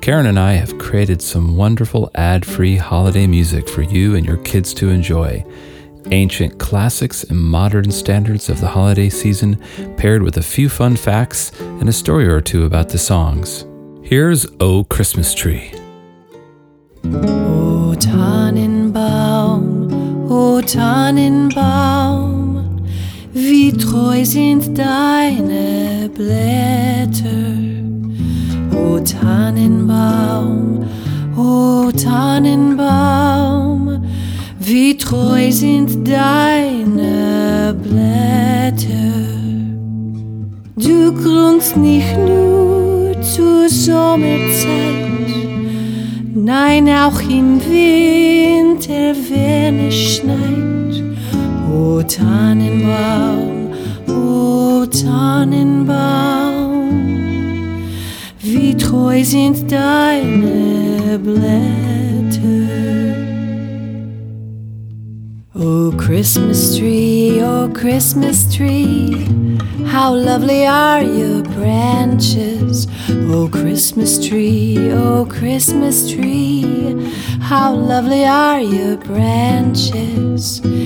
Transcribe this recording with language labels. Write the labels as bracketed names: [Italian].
[English] Karen and I have created some wonderful ad-free holiday music for you and your kids to enjoy. Ancient classics and modern standards of the holiday season, paired with a few fun facts and a story or two about the songs. Here's O Christmas Tree. [German] O Tannenbaum, O Tannenbaum, wie treu sind deine Blätter. O Tannenbaum, O Tannenbaum, wie treu sind deine Blätter. Du grünst nicht nur zur Sommerzeit, nein, auch im Winter, wenn es schneit. O Tannenbaum, O Tannenbaum, wie treu sind deine Blätter. [English] O Christmas tree, O Christmas tree, how lovely are your branches. O Christmas tree, O Christmas tree, how lovely are your branches.